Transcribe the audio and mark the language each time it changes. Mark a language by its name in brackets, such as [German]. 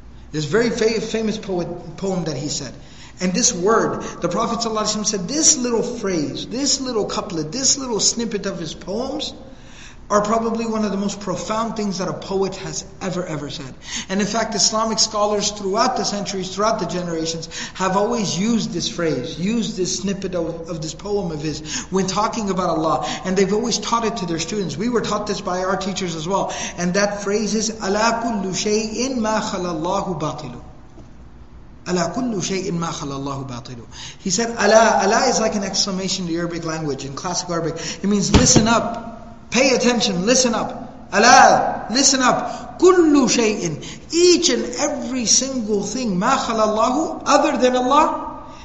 [English] This very famous poem that he said. And this word, the Prophet ﷺ said, this little phrase, this little couplet, this little snippet of his poems are probably one of the most profound things that a poet has ever said. And in fact, Islamic scholars throughout the centuries, throughout the generations, have always used this phrase, used this snippet of this poem of his when talking about Allah. And they've always taught it to their students. We were taught this by our teachers as well. And that phrase is, [Arabic] أَلَا كُلُّ شَيْءٍ مَا خَلَى اللَّهُ بَاطِلُ. أَلَا كُلُّ شَيْءٍ مَا خَلَى اللَّهُ بَاطِلُ. [English] He said, أَلَا is like an exclamation in the Arabic language, in classic Arabic. It means, listen up. Pay attention, listen up. Ala, listen up. Kullu shay'in. Each and every single thing, ma khalallahu, other than Allah.